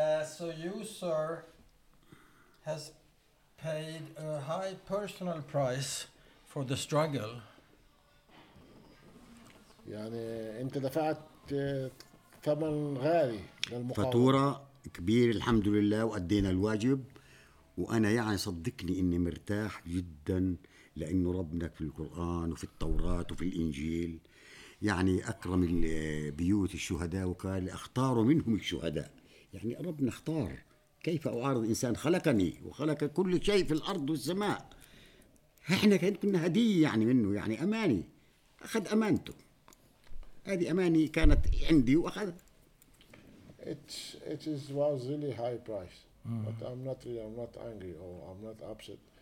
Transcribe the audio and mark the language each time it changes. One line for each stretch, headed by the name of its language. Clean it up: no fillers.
English: so you sir has paid a high personal price for the struggle
Arabic: يعني انت دفعت ثمن غالي للمقاومه فاتوره كبير الحمد لله وأدينا الواجب وأنا يعني صدقني إني مرتاح جدا لأنه ربنا في القرآن وفي التوراة وفي الإنجيل يعني أكرم بيوت الشهداء وقال أختار منهم الشهداء يعني ربنا اختار كيف أعارض إنسان خلقني وخلق كل شيء في الأرض والسماء إحنا كنا هدية يعني منه يعني أماني أخذ أمانته هذه أماني كانت عندي وأخذ
English: It was really high price, but I'm not angry or I'm not upset.